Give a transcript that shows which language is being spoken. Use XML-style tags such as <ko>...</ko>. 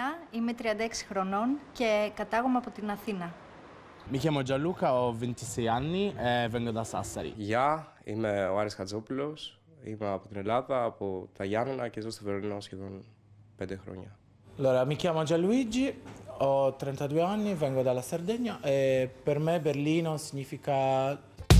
<el>Είμαι 36 χρονών και κατάγομαι από την Αθήνα.</el> <it>Mi chiamo Gianluca, ho 26 anni e vengo da Sassari.</it> <el>Γεια, είμαι ο Άρης Χατζόπουλος, είμαι από την Ελλάδα, από τα Γιάννενα και ζω στο Βερολίνο σχεδόν 5 χρόνια.</el> <it>Allora, mi chiamo Gianluigi, ho 32 anni, vengo dalla Sardegna e per me Berlino significa.</it>